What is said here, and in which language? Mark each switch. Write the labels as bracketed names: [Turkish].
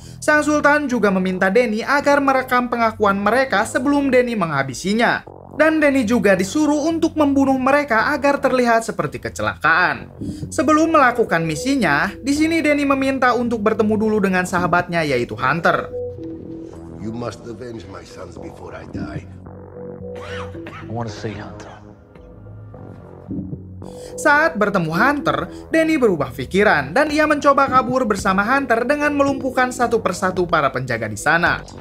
[Indonesian] Sang Sultan juga meminta Danny agar merekam pengakuan mereka sebelum Danny menghabisinya. Dan Danny juga disuruh untuk membunuh mereka agar terlihat seperti kecelakaan. Sebelum melakukan misinya, di sini Danny meminta untuk bertemu dulu dengan sahabatnya yaitu Hunter. [English] You must avenge my sons before I die. I want to see Hunter. [Indonesian] Saat bertemu Hunter, Danny berubah pikiran dan ia mencoba kabur bersama Hunter dengan melumpuhkan satu persatu para penjaga di sana.